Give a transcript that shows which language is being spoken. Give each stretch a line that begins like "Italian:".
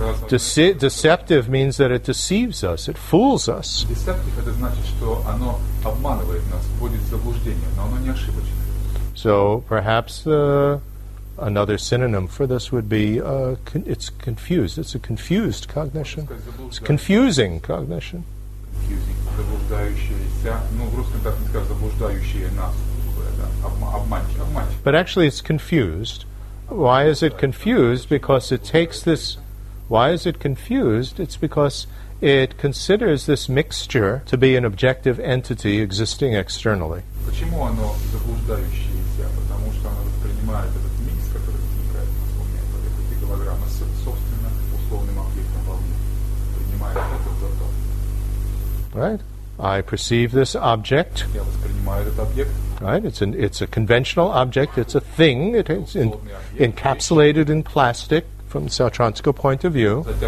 English: Deceptive means that it deceives us, it fools us.
Russian: Deceptive, это значит, что оно обманывает нас, вводит в заблуждение, но оно не ошибочное.
English: So perhaps another synonym for this would be it's confused. It's a confused cognition. It's confusing cognition.
Russian: Confusing, заблуждающееся. Ну, в русском так не сказать, заблуждающее нас, обманчиво.
English: But actually, it's confused. Why is it confused? Because it takes this... Why is it confused? It's because it considers this mixture to be an objective entity existing externally.
Russian: Почему оно заблуждающееся? Потому что оно воспринимает этот микс, который возникает на фоне этой голограммы, с собственно условным объектом вовне. Принимает это за то.
English: Right? I perceive this object.
Russian: Я воспринимаю этот объект.
English: Right, it's a conventional object, it's a thing, it's encapsulated in plastic from the Sautrantika point of view.